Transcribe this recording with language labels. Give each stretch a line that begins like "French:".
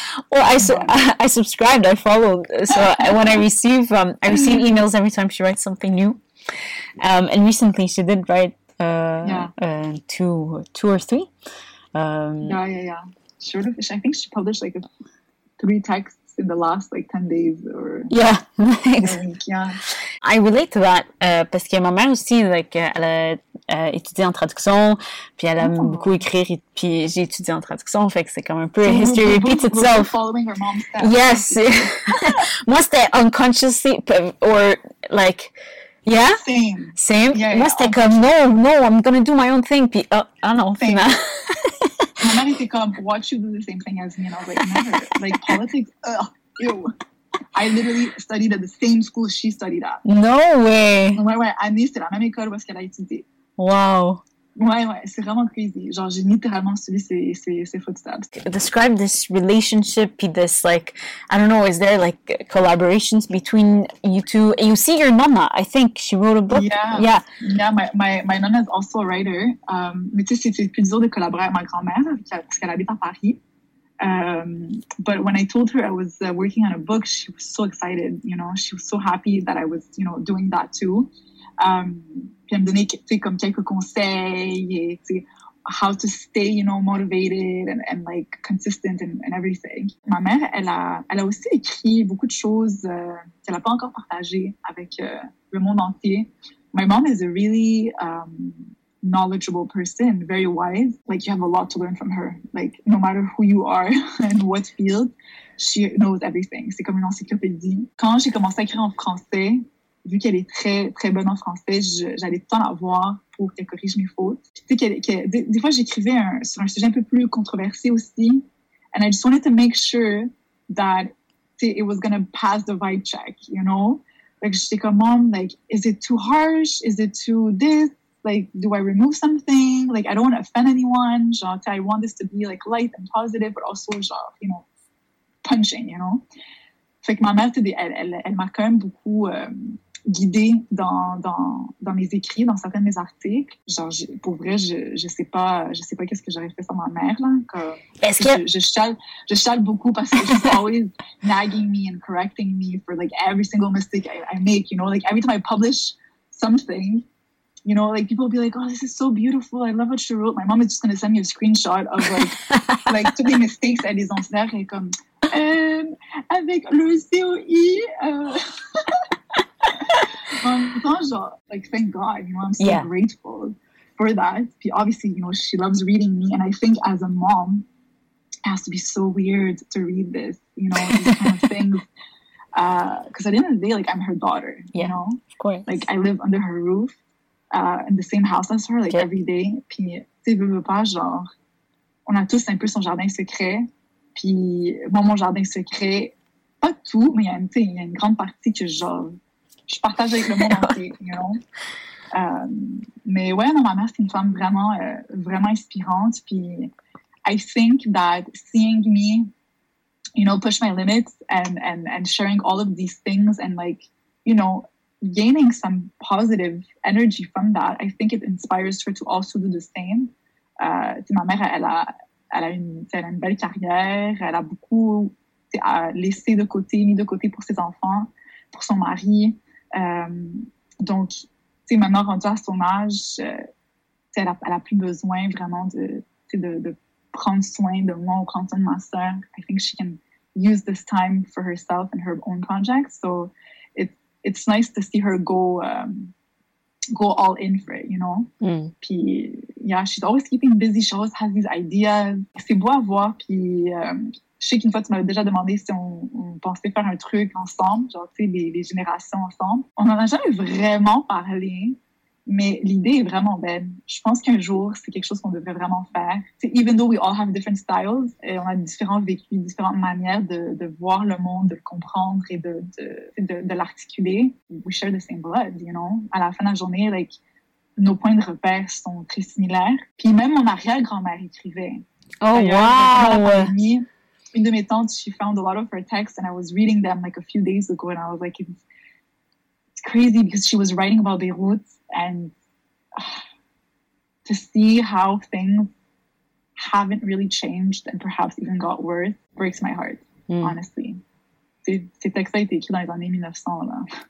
English: well, I subscribed, I followed. So when I receive emails every time she writes something new. And recently she did write two or three. Sort of. I think she published like three texts in the last like 10 days or yeah, week. Yeah. I relate to that
French: parce que ma mère aussi like elle a étudié en traduction puis elle aime beaucoup écrire et puis j'ai étudié en traduction fait que c'est comme un peu
English: a history repeats itself. Following her mom's steps. Yes.
French: Moi c'était
English: unconsciously or like yeah same same yeah,
French: moi
English: yeah,
French: c'était comme
English: no I'm gonna do my own thing
French: puis oh non finalement. Maman était comme,
English: watch you do the same thing as me. And I was like, never. Like, politics, ugh, ew. I literally studied at the same school she studied at. No way.
French: Ouais, à Nice, c'est la même école où est-ce qu'elle a étudié.
English: Wow.
French: Ouais, c'est vraiment crazy. Genre, j'ai littéralement suivi ses footsteps.
English: Describe this relationship, puis this, like, I don't know, is there, like, collaborations between you two? You see your nana, I think, she wrote a book. Yeah. Yeah, my nana is also a writer.
French: Mais tu sais, c'est plus dur de collaborer avec ma grand-mère, parce qu'elle habite à Paris.
English: But when I told her I was working on a book, she was so excited, you know? She was so happy that I was, you know, doing that too.
French: Puis elle me donnait, tu sais, comme quelques conseils et, tu sais,
English: how to stay, you know, motivated and like, consistent and everything.
French: Ma mère, elle a aussi écrit beaucoup de choses qu'elle n'a pas encore partagées avec le monde entier.
English: My mom is a really knowledgeable person, very wise. Like, you have a lot to learn from her. Like, no matter who you are and what field, she knows everything.
French: C'est comme une encyclopédie. Quand j'ai commencé à écrire en français, vu qu'elle est très, très bonne en français, j'allais tout le temps la voir pour qu'elle corrige mes fautes. Puis, tu sais, des fois, j'écrivais sur un sujet un peu plus controversé aussi.
English: And I just wanted to make sure that,
French: tu sais,
English: it was going to pass the vibe check, you know? Like,
French: j'étais comme,
English: mom, like, is it too harsh? Is it too this? Like, do I remove something? Like, I don't want to offend anyone.
French: Genre, tu sais,
English: I want this to be, like, light and positive, but also, genre, you know, punching, you know?
French: Fait que ma mère, elle m'a quand même beaucoup guidée dans mes écrits, dans certains de mes articles. Genre, pour vrai, je sais pas qu'est-ce que j'aurais fait sans ma mère, là. Je chiale beaucoup parce que
English: she's always nagging me and correcting me for, like, every single mistake I make, you know? Like, every time I publish something, you know, like, people will be like, oh, this is so beautiful, I love what she wrote. My mom is just going to send me a screenshot of, like, like,
French: toutes les mistakes à des enfers et comme... avec le COI.
English: like, thank God, you know, I'm so grateful for that. But obviously, you know, she loves reading me. And I think as a mom, it has to be so weird to read this, you know, these kind of things. Because at the end of the day, like, I'm her daughter, you know? Of course. Like, I live under her roof in the same house as her, like, every day.
French: Puis, tu veux pas, genre, on a tous un peu son jardin secret. Puis, moi, mon jardin secret, pas tout, mais il y a une grande partie que je partage avec le monde entier,
English: you know?
French: Mais ouais, non, ma mère, c'est une femme vraiment, vraiment inspirante.
English: Puis, I think that seeing me, you know, push my limits and sharing all of these things and, like, you know, gaining some positive energy from that, I think it inspires her to also do the same.
French: Tu sais, ma mère, elle a une belle carrière, elle a beaucoup à laisser de côté, mis de côté pour ses enfants, pour son mari. Donc, tu sais, maintenant rendue à son âge, elle a plus besoin vraiment de prendre soin de moi ou prendre soin de ma sœur.
English: I think she can use this time for herself and her own projects.
French: So,
English: it's nice to see her go go all in for it, you know? Mm. Puis, yeah, she's always keeping busy. She always has these ideas.
French: C'est beau à voir. Puis, je sais qu'une fois, tu m'avais déjà demandé si on pensait faire un truc ensemble, genre, tu sais, les générations ensemble. On n'en a jamais vraiment parlé, mais l'idée est vraiment belle. Je pense qu'un jour, c'est quelque chose qu'on devrait vraiment faire. Tu sais,
English: even though we all have different styles,
French: et on a différents vécus, différentes manières de voir le monde, de le comprendre et de l'articuler.
English: We share the same blood, you know?
French: À la fin de la journée, like, nos points de repère sont très similaires. Puis même mon arrière-grand-mère écrivait.
English: Oh, wow!
French: Une de mes tantes,
English: she found a lot of her texts and I was reading them like a few days ago and I was like, it's crazy because she was writing about Beirut and to see how things haven't really changed and perhaps even got worse breaks my heart, mm. honestly.
French: Ces textes-là étaient écrits dans les années 1900, là.